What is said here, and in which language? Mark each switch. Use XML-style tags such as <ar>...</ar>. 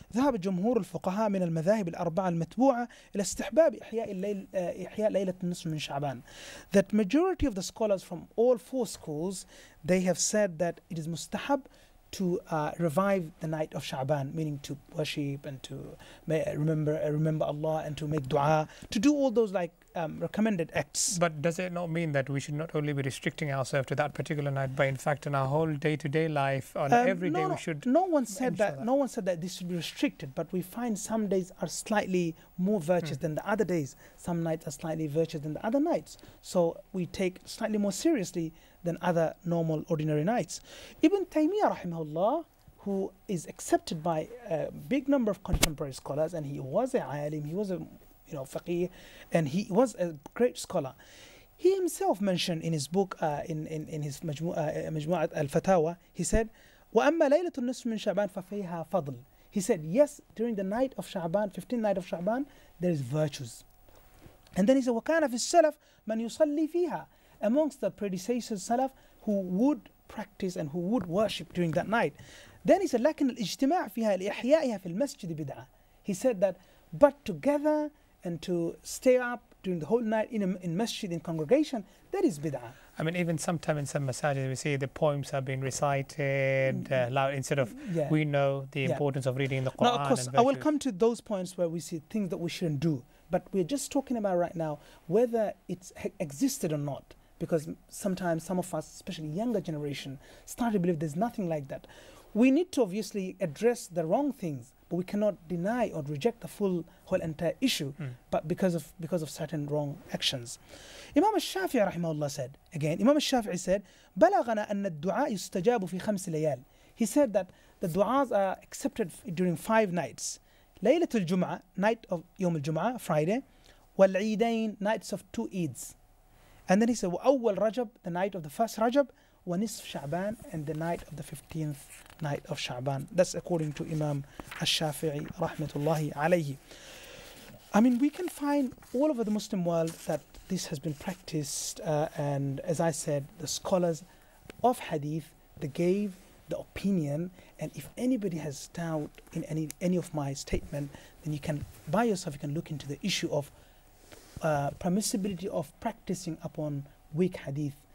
<ar>ذهب جمهور الفقهاء من المذاهب الأربعة المتبوعة إلى استحباب إحياء ليلة النصف من شعبان.</ar> <en>That majority of the scholars from all four schools, they have said that it is mustahab to revive the night of Sha'ban, meaning to worship and to remember Allah and to make dua, to do all those, like, recommended acts. But does it not mean that we should not only be restricting ourselves to that particular night, but in fact in our whole day-to-day life, No one said that this should be restricted, but we find some days are slightly more virtuous than the other days. Some nights are slightly virtuous than the other nights. So we take slightly more seriously than other normal, ordinary nights. Ibn Taymiyyah rahimahullah, who is accepted by a big number of contemporary scholars, and he was a alim, he was a faqih, and he was a great scholar. He himself mentioned in his book, in his Majmu'at al-Fatawa, he said,</en> <ar>وَأَمَّا لَيْلَةُ النِّصْفِ مِنْ شَعْبَانَ فَفَيْهَا فَضْلٍ.</ar> <en>He said, yes, during the night of Sha'ban, 15th night of Sha'ban, there is virtues. And then he said,</en> <ar>وَكَانَ فِي السَّلَفْ مَنْ يُصَلِّ فِيهَا.</ar> <en>Amongst the predecessors Salaf who would practice and who would worship during that night. Then he said,</en> <ar>لَكِنَ الْإِجْتِمَاعَ فِيهَا لِإِحْيَائِهَا فِي الْمَسْجِدِ بِدْعَةً.</ar> <en>He said that, but together and to stay up during the whole night in masjid, in congregation, that is bid'ah. I mean, even sometimes in some masajid, we see the poems have been recited loud instead of, we know the importance of reading the Quran. Now, of course, I will come to those points where we see things that we shouldn't do. But we're just talking about right now whether it's existed or not. Because sometimes some of us, especially younger generation, start to believe there's nothing like that. We need to obviously address the wrong things. We cannot deny or reject the full whole entire issue, but because of certain wrong actions. Imam al-Shafi'i rahimahullah said, again, Imam al-Shafi'i said,</en> <ar>بَلَغَنَا أَنَّ الدُّعَاءِ يُسْتَجَابُ فِي خَمْسِ لَيَالِ.</ar> <en>He said that the du'as are accepted during five nights.</en> <ar>لَيْلَةُ الْجُمْعَةِ,</ar> <en>night of</en> <ar>يوم الجمعة,</ar> <en>Friday.</en> <ar>وَالْعِيدَيْنِ,</ar> <en>nights of two Eids. And then he said,</en> <ar>وَأَوَّلْ رَجَبْ,</ar> <en>the night of the first Rajab.</en> <ar>وَنِصْفْ شَعْبَانِ,</ar> <en>and the night of the 15th night of Sha'ban. That's according to Imam al-Shafi'i rahmatullahi alayhi. I mean, we can find all over the Muslim world that this has been practiced, and as I said, the scholars of hadith, they gave the opinion, and if anybody has doubt in any of my statement, then you can, by yourself, you can look into the issue of permissibility of practicing upon weak hadith.</en>